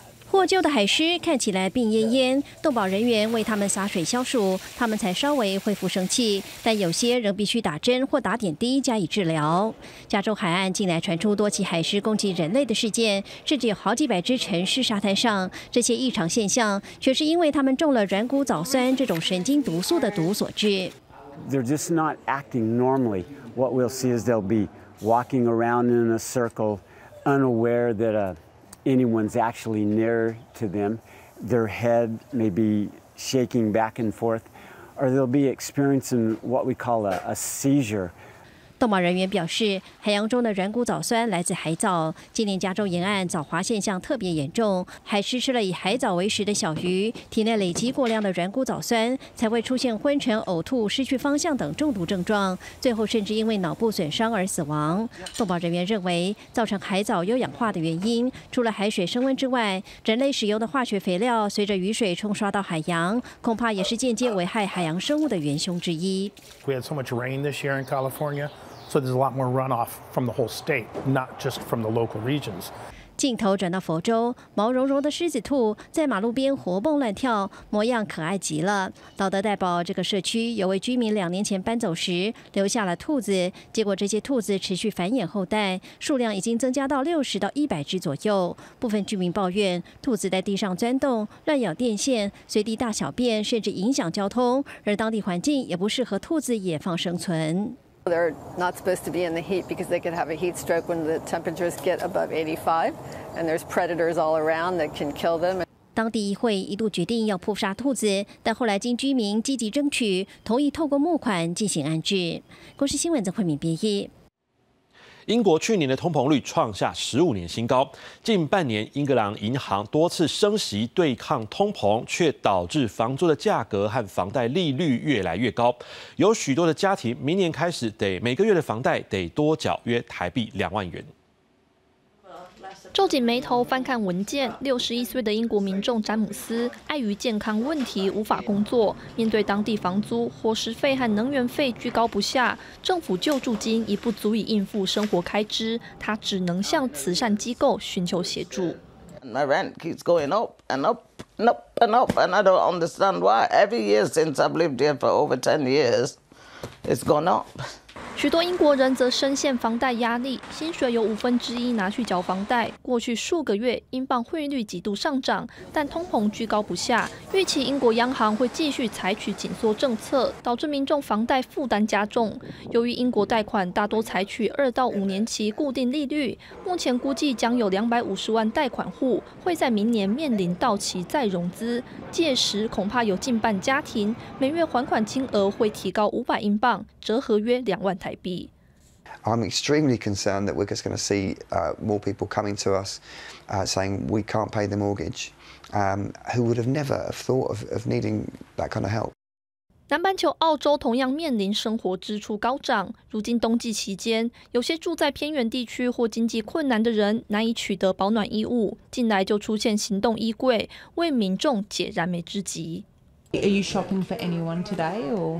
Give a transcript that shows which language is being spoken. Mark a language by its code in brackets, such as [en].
[zh] 获救的海狮看起来病恹恹，动保人员为他们洒水消暑，他们才稍微恢复生气，但有些仍必须打针或打点滴加以治疗。加州海岸近来传出多起海狮攻击人类的事件，甚至有好几百只沉尸沙滩上，这些异常现象却是因为他们中了软骨藻酸这种神经毒素的毒所致。 [en] They're just not acting normally. What we'll see is they'll be walking around in a circle, unaware that anyone's actually near to them. Their head may be shaking back and forth, or they'll be experiencing what we call a seizure. [zh] 动保人员表示，海洋中的软骨藻酸来自海藻。今年加州沿岸藻化现象特别严重，海狮吃了以海藻为食的小鱼，体内累积过量的软骨藻酸，才会出现昏沉、呕吐、失去方向等中毒症状，最后甚至因为脑部损伤而死亡。动保人员认为，造成海藻有氧化的原因，除了海水升温之外，人类使用的化学肥料随着雨水冲刷到海洋，恐怕也是间接危害海洋生物的元凶之一。 [en] We had so much rain this year in California. So there's a lot more runoff from the whole state, not just from the local regions. [zh] 镜头转到佛州，毛茸茸的狮子兔在马路边活蹦乱跳，模样可爱极了。道德代堡这个社区有位居民两年前搬走时留下了兔子，结果这些兔子持续繁衍后代，数量已经增加到60到100只左右。部分居民抱怨，兔子在地上钻洞、乱咬电线、随地大小便，甚至影响交通，而当地环境也不适合兔子野放生存。 [en] They're not supposed to be in the heat because they could have a heat stroke when the temperatures get above 85, and there's predators all around that can kill them. [zh] 当地议会一度决定要扑杀兔子，但后来经居民积极争取，同意透过募款进行安置。公视新闻曾慧敏编译。英国去年的通膨率创下15年新高，近半年英格兰银行多次升息对抗通膨，却导致房租的价格和房贷利率越来越高，有许多的家庭明年开始得每个月的房贷得多缴约台币2万元。皱紧眉头翻看文件，61岁的英国民众詹姆斯碍于健康问题无法工作，面对当地房租、伙食费和能源费居高不下，政府救助金已不足以应付生活开支，他只能向慈善机构寻求协助。 [en] My rent keeps going up and up, and up and up, and I don't understand why. Every year since I've lived here for over 10 years, it's gone up. [zh] 许多英国人则深陷房贷压力，薪水有1/5拿去缴房贷。过去数个月，英镑汇率几度上涨，但通膨居高不下。预期英国央行会继续采取紧缩政策，导致民众房贷负担加重。由于英国贷款大多采取2到5年期固定利率，目前估计将有250万贷款户会在明年面临到期再融资，届时恐怕有近半家庭每月还款金额会提高500英镑，折合约20000。 [en] I'm extremely concerned that we're just going to see more people coming to us saying we can't pay the mortgage, who would have never thought of needing that kind of help. [zh] 南半球澳洲同样面临生活支出高涨，如今冬季期间，有些住在偏远地区或经济困难的人难以取得保暖衣物，近来就出现行动衣柜，为民众解燃眉之急。 [en] Are you shopping for anyone today?